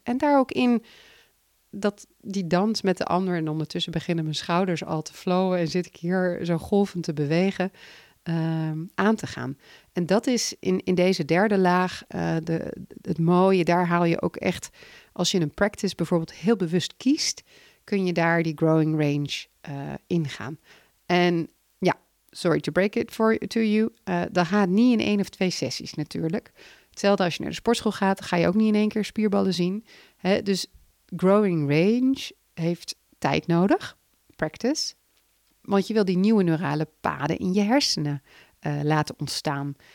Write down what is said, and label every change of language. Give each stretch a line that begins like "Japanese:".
Dutch: En daar ook in dat die dans met de ander, en ondertussen beginnen mijn schouders al te flowen en zit ik hier zo golvend te bewegen, aan te gaan. En dat is in deze derde laag het mooie. Daar haal je ook echt, als je een practice bijvoorbeeld heel bewust kiest, kun je daar die growing range ingaan. En ja,
English: sorry to break it to you.
Dutch: Dat gaat niet in 1 of 2 sessies natuurlijk. Hetzelfde als je naar de sportschool gaat, ga je ook niet in 1 keer spierballen zien. Hè? Dus growing range heeft tijd nodig, practice. Want je wil die nieuwe neurale paden in je hersenen laten ontstaan.